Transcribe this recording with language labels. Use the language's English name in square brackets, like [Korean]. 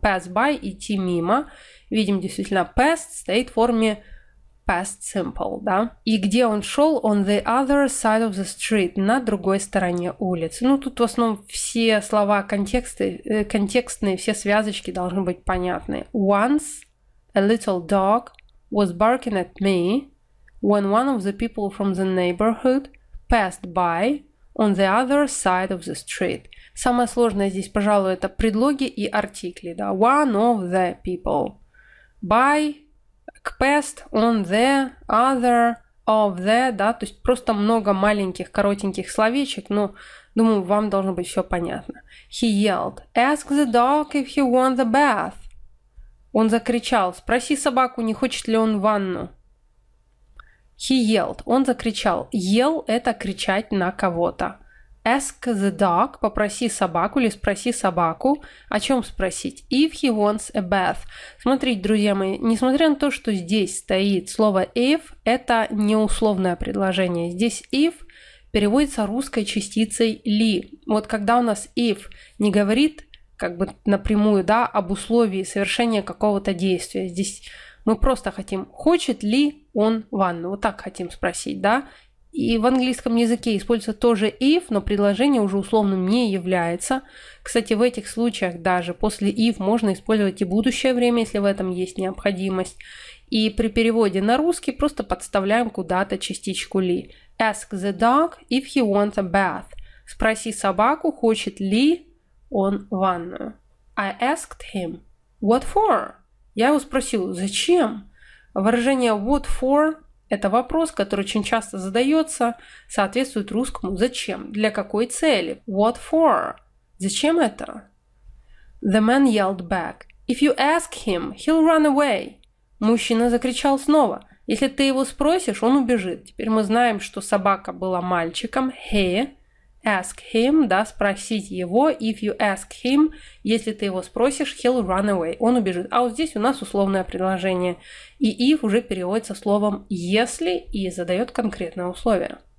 [English] Pass by, [Russian] идти мимо. Видим, действительно, past стоит в форме past simple, да. И где он шел? [English] On the other side of the street, [Russian] на другой стороне улицы. Ну, тут в основном все слова контекстные, все связочки должны быть понятны. [English] Once a little dog was barking at me when one of the people from the neighborhood passed by on the other side of the street. [Russian] Самое сложное здесь, пожалуй, это предлоги и артикли. [English] Да? One of the people. By, passed, on the, other, of the. Да? [Russian] То есть просто много маленьких, коротеньких словечек, но, думаю, вам должно быть все понятно. [English] He yelled, ask the dog if he wants a bath. [Russian] Он закричал, спроси собаку, не хочет ли он ванну. [English] He yelled, [Russian] он закричал. Yell – это кричать на кого-то. [English] Ask the dog, [Russian] попроси собаку или спроси собаку, о чем спросить. [English] If he wants a bath. [Russian] Смотрите, друзья мои, несмотря на то, что здесь стоит слово if, это не условное предложение. Здесь if переводится русской частицей ли. Вот когда у нас if не говорит как бы напрямую, да, об условии совершения какого-то действия. Здесь мы просто хотим, хочет ли он ванну. Вот так хотим спросить, да. И в английском языке используется тоже if, но предложение уже условным не является. Кстати, в этих случаях даже после if можно использовать и будущее время, если в этом есть необходимость. И при переводе на русский просто подставляем куда-то частичку ли. [English] Ask the dog if he wants a bath. [Russian] Спроси собаку, хочет ли он ванную. [English] I asked him, what for? [Russian] Я его спросил, зачем? Выражение what for — это вопрос, который очень часто задается, соответствует русскому зачем, для какой цели. [English] What for? [Russian] Зачем это? [English] The man yelled back, if you ask him, he'll run away. [Russian] Мужчина закричал снова, если ты его спросишь, он убежит. Теперь мы знаем, что собака была мальчиком, he. [English] Ask him, [Russian] да, спросить его. [English] If you ask him, если ты его спросишь, he'll run away. [Russian] Он убежит. А вот здесь у нас условное предложение. И if уже переводится словом если и задает конкретное условие.